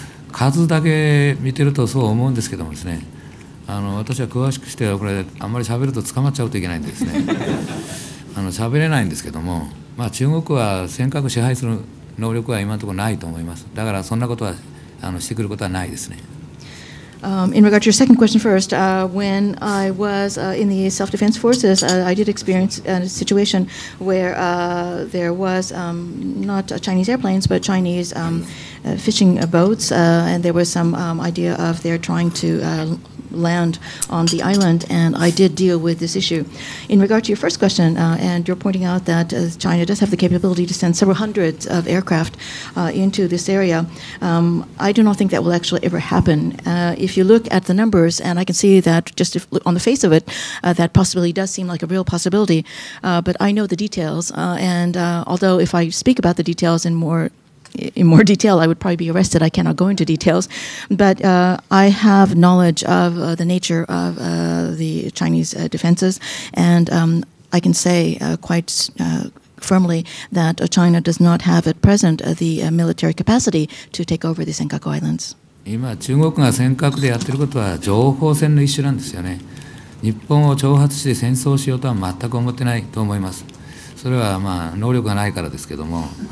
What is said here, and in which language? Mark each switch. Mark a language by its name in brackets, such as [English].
[Japanese] 数だけ見てるとそう思うんですけどもですね、私は詳しくしてはこれあんまり喋ると捕まっちゃうといけないんですね。喋れないんですけども、まあ、中国は尖閣支配する能力は今のところないと思います。だからそんなことはしてくることはないですね。 [English] In regard to your second question first, when I was in the self-defense forces, I did experience a situation where there was not Chinese airplanes, but Chinese fishing boats, and there was some idea of they're trying to land on the island, and I did deal with this issue. In regard to your first question, and you're pointing out that China does have the capability to send several hundreds of aircraft into this area, I do not think that will actually ever happen. If you look at the numbers, and I can see that just if, on the face of it, that possibility does seem like a real possibility, but I know the details, and although if I speak about the details in more detail, I would probably be arrested. I cannot go into details. But I have knowledge of the nature of the Chinese defenses. And I can say quite firmly that China does not have at present the military capacity to take over the Senkaku Islands. [Japanese] 今、中国が尖閣でやってることは情報戦の一種なんですよね。日本を挑発して戦争しようとは全く思ってないと思います。それはまあ能力がないからですけども。